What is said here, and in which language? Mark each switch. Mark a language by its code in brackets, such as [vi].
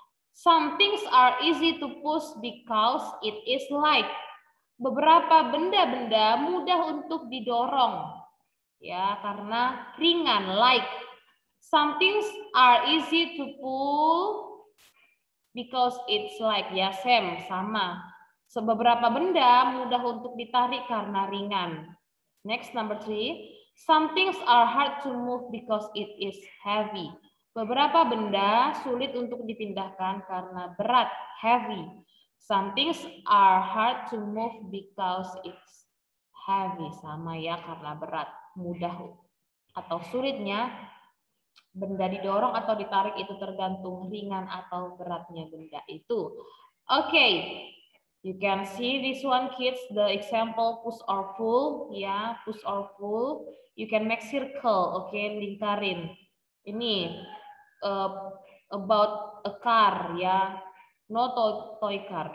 [en] Some things are easy to push because it is light. [id] Beberapa benda-benda mudah untuk didorong ya, karena ringan, light. [en] Some things are easy to pull because it's light [id] ya, sama. Beberapa benda mudah untuk ditarik karena ringan. [en] Next, number three. Some things are hard to move because it is heavy. [id] Beberapa benda sulit untuk dipindahkan karena berat, heavy. [en] Some things are hard to move because it's heavy. [id] Sama ya, karena berat, mudah atau sulitnya benda didorong atau ditarik itu tergantung ringan atau beratnya benda itu. [en] Okay, you can see this one kids, the example push or pull. Ya, push or pull. You can make circle, okay, lingkarin. Ini about a car ya, no toy car.